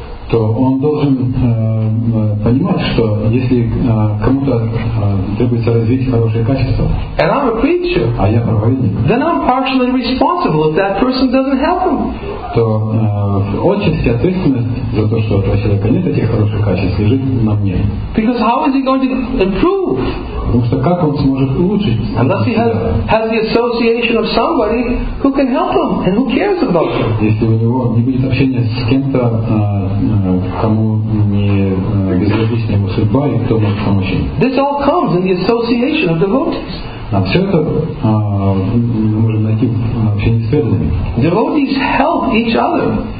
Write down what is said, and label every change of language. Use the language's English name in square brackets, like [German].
[Russian] то он должен понимать, что если кому-то требуется развить хорошее качество, [English] and I'm a preacher, [Russian] а я проповедник, [English] then I'm partially responsible if that person doesn't help him. [Russian] То отчасти ответственность за то, что у этого человека нет этих хороших качеств, лежит на мне. [English] Because how is he going to improve? [Russian] Потому что как он сможет улучшить? [English] Unless he has the association of somebody who can help him and who cares about him. [Russian] Если у него не будет общения с кем-то, кому не безразлична его судьба и кто может помочь ему. [English] This all comes in the association of devotees. [Russian] А все это мы можем найти в общении с преданными. [English] Devotees help each other.